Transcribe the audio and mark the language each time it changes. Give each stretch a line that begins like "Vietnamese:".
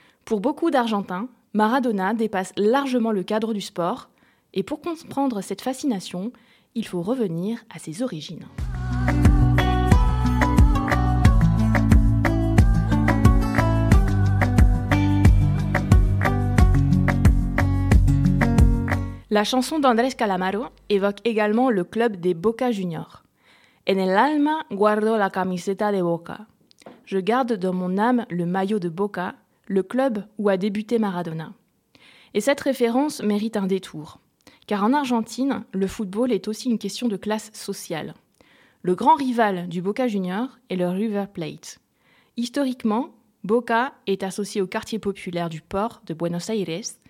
French: Pour beaucoup d'Argentins, Maradona dépasse largement le cadre du sport, et pour comprendre cette fascination, il faut revenir à ses origines. La chanson d'Andrés Calamaro évoque également le club des Boca Juniors.
Spanish: En el alma guardo la camiseta de Boca.
French: Je garde dans mon âme le maillot de Boca, le club où a débuté Maradona. Et cette référence mérite un détour. Car en Argentine, le football est aussi une question de classe sociale. Le grand rival du Boca Juniors est le River Plate. Historiquement, Boca est associé au quartier populaire du port de Buenos Aires.